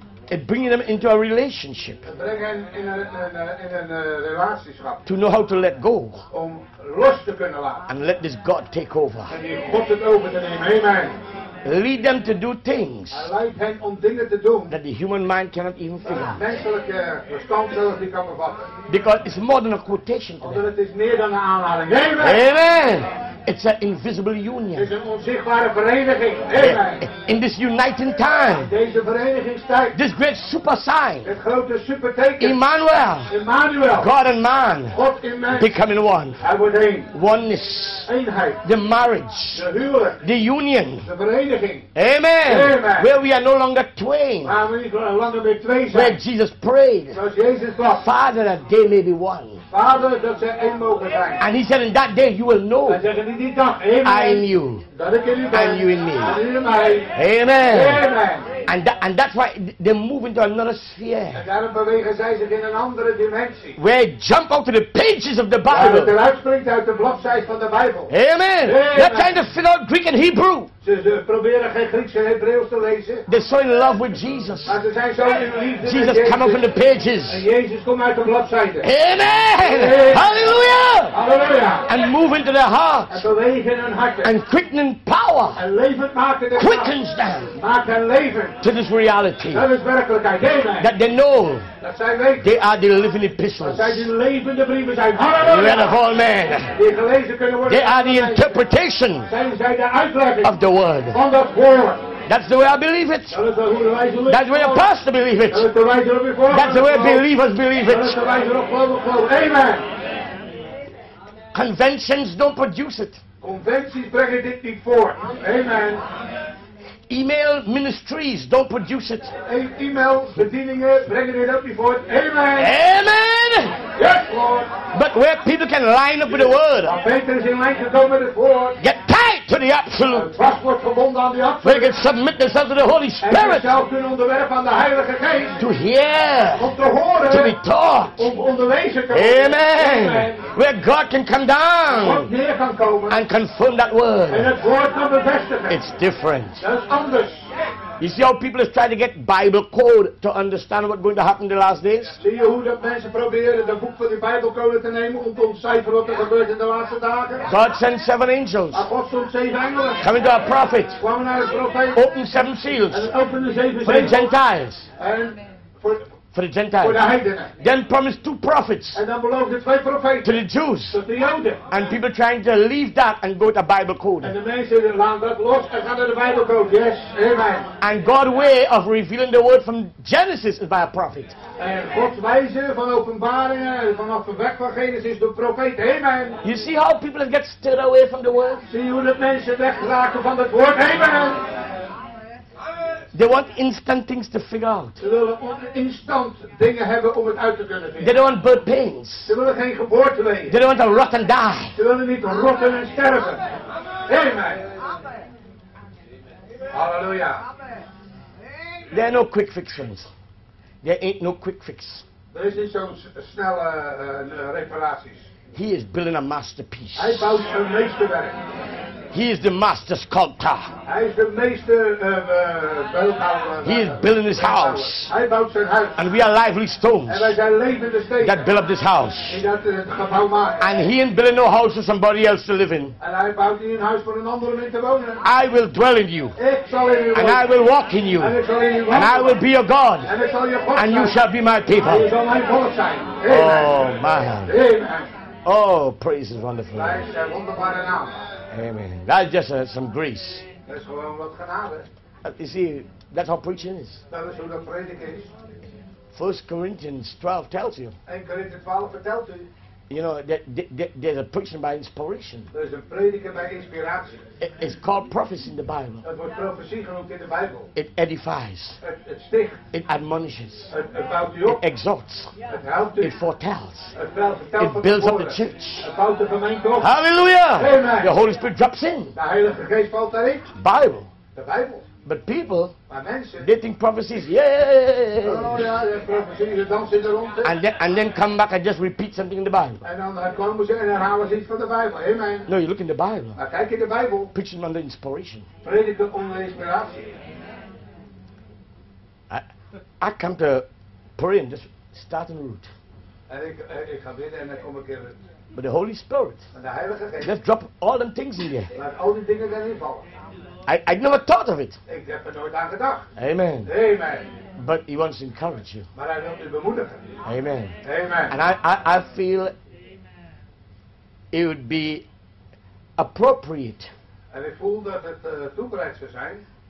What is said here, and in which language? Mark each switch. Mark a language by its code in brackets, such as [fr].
[en] It brings them into a relationship. [nl] Het brengt hen in een relatieschap. [en] To know how to let go. [nl] Om los te kunnen laten. [en] And let this God take over. [nl] En die God het over te nemen. Amen. [en] Lead them to do things. [nl] Leid hen om dingen te doen. [en] That the human mind cannot even figure. [nl] Menselijke verstand zelfs niet kan bevatten. [en] Because it's more than a quotation. [nl] Omdat het is meer dan een aanhaling. Amen. [en] Amen. It's an invisible union. [nl] Het is een onzichtbare vereniging. Amen. [en] In this uniting time. [nl] Deze verenigingstijd. [en] This great super sign. [nl] Het grote superteken. [en] Emmanuel. [nl] Emmanuel. [en] God and man. [nl] God en mens. [en] Becoming one. [nl] Hij wordt één. [en] Oneness. [nl] Eenheid. [en] The marriage. [nl] De huwelijk. [en] The union. [nl] De vereniging. Amen. Amen. [en] Where we are no longer twain. [nl] Waar we niet langer meer twee zijn. [en] Where Jesus prayed. [nl] Zoals Jezus God. [en] Father, that they may be one. [nl] Vader, dat ze één mogen zijn. [en] And he said, in that day you will know. I in you. And you in me. Amen. Amen. And that's why they move into another sphere. [nl] En daarom bewegen zij zich in een andere dimensie. [en] Where they jump out to the pages of the Bible. [nl] Waar het eruit springt uit de bladzijde van de Bijbel. Amen. Amen. [en] They're trying to fill out Greek and Hebrew. [nl] Ze proberen geen Grieks en Hebreeuws te lezen. [en] They're so in love with Jesus. [nl] Maar ze zijn zo in liefde Jesus met Jezus. [en] Jesus come up from the pages. [nl] En Jezus komt uit de bladzijde. [en] Amen. Hallelujah. [nl] Hallelujah. [en] And move into their hearts. [nl] En bewegen hun harten. [en] And quickening power. [nl] En levend maken de [en] quickens them. [nl] Maken leven. [en] to this reality. [nl] Dat is werkelijkheid. Amen. [en] That they know. [nl] Dat zij weten. [en] They are the living epistles. [nl] Dat zij de levende brieven zijn. [en] Word of all men. [nl] Die gelezen kunnen worden. [en] They are the interpretation. [nl] Zijn zij de uitlegging [en] of the word. [nl] Van dat woord. [en] That's the way I believe it. That's the way a pastor believes it. That's the way believers believe it. Amen. Conventions don't produce it. Conventions bring it before. Amen. Email ministries don't produce it. [nl] Email bedieningen brengen dit ook niet voort. Amen. Amen. [en] Yes, Lord. But where people can line up with the word. [nl] Peter is in lijn gekomen met het woord. [en] Get tied to the absolute. [nl] Vast wordt verbonden aan de absolute. [en] Where you can submit themselves to the Holy Spirit. [nl] En jezelf kunnen onderwerpen aan de Heilige Geest. [en] To hear. [nl] Om te horen. [en] To be taught. [nl] Om onderwezen te [en] worden. Amen. Where God can come down. [nl] God neer kan komen. [en] And confirm that word. [nl] En het woord kan bevestigen. [en] It's different. [nl] Anders. [en] You see how people are trying to get Bible code to understand what's going to happen in the last days? [nl] Zie je hoe dat mensen proberen de boek van de Bijbelcode te nemen om te ontcijferen wat er gebeurt in de laatste dagen? [en] God sent 7 angels. [nl] God stond 7 engelen. [en] Coming to a prophet. [nl] Kwamen naar een profeet. [en] Open 7 seals. [nl] En open de 7 [en] for the Gentiles. For the Gentiles. [nl] Voor de heidenen. [en] Then promised 2 prophets. [nl] En dan beloofde 2 profeten. [en] To the Jews. [nl] Tot de Joden. [en] And people trying to leave that and go to Bible code. [nl] En de mensen die laten dat los en gaan naar de Bible code. [en] Yes. Amen. And God's way of revealing the word from Genesis is by a prophet. [nl] En Gods wijze van openbaringen en vanaf de weg van Genesis door profeet. Amen. [en] You see how people get stirred away from the word? [nl] Zie je hoe dat mensen wegraken van het woord. Amen. [en] They want instant things to figure out. [nl] Ze willen instant dingen hebben om het uit te kunnen vinden. [en] They don't want birth pains. [nl] Ze willen geen geboorte leven. [en] They don't want to rot and die. [nl] Ze willen niet rotten en sterven. Amen. Amen. Halleluja. Amen. [en] There are no quick fixes. There ain't no quick fix. [nl] Er is niet zo'n snelle reparaties. [en] He is building a masterpiece. [nl] Hij bouwt een meesterwerk. [en] He is the master sculptor. [nl] Hij is de meester beeldhouwer. [en] He is building this house. [nl] Hij bouwt zijn huis. [en] And we are lively stones. [nl] En wij zijn levende stenen. [en] That build up this house. [nl] Dat het gebouw maakt. [en] And he ain't building no house for somebody else to live in. [nl] En hij bouwt niet een huis voor een ander om in te wonen. [en] I will dwell in you. [nl] Ik zal in u wonen. [en] And I will walk in you. [nl] En ik zal in u wonen. [en] And I will be your God. [nl] En ik zal je God zijn. [en] And you shall be my people. [nl] En je zal mijn volk zijn. Amen. [en] Oh man. Amen. Oh, praise is wonderful. [nl] Wij zijn wonderbaar en naam. [en] Amen. That's just some grace. [nl] Dat is gewoon wat genade. [en] You see, that's how preaching is. [nl] Dat is hoe dat prediken is. [en] 1 Corinthians 12 tells you. [nl] 1 Corinthians 12 vertelt u. [en] You know, there's a preaching by inspiration. [nl] Er is een prediken bij inspiratie. [en] It's called prophecy in the Bible. [nl] Het wordt profetie genoemd in de Bijbel. [en] It edifies. [nl] Het sticht. [en] It admonishes. [nl] Het bouwt u op. [en] It exhorts. [nl] Het helpt u. [en] It foretells. [nl] Het vertelt. [en] It builds up the church. [nl] Het bouwt de gemeente op. [en] Hallelujah! Amen. The Holy Spirit drops in. [nl] De Heilige Geest valt daarin. [en] Bible. [nl] De Bijbel. [en] But people, [nl] maar mensen, [en] they think prophecies, yay! [nl] Oh ja, prophecies, dan zit er rond. [en] And then come back and just repeat something in the Bible. [nl] En dan komen ze en herhalen ze iets van de Bijbel. Amen. [en] No, you look in the Bible. [nl] Maar kijk in de Bijbel. [en] Preaching under inspiration. [nl] Prediken onder inspiratie. [en] I come to pray and just start in root. [nl] En ik ga bidden en dan kom ik in root. [en] But the Holy Spirit, [nl] en de Heilige Geest, [en] just drop all them things in there. [nl] Laat al die dingen erin vallen. [en] I never thought of it. [nl] Ik heb er nooit aan gedacht. Amen. Amen. [en] But he wants to encourage you. [nl] Maar hij wil u bemoedigen. Amen. Amen. [en] And I feel it would be appropriate. [nl] En ik voel dat het toebereid zou zijn.